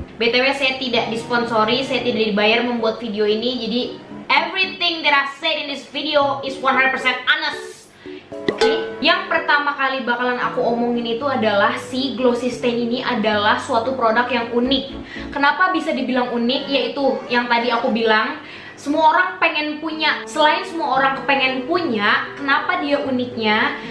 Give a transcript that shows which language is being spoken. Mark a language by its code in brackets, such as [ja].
[id] BTW saya tidak disponsori, saya tidak dibayar membuat video ini. [en] Jadi everything that I said in this video is 100% honest. [id] Oke, yang pertama kali bakalan aku omongin itu adalah si Glossy Stain ini adalah suatu produk yang unik. Kenapa bisa dibilang unik? Yaitu yang tadi aku bilang, semua orang pengen punya. Selain semua orang kepengen punya, kenapa dia uniknya?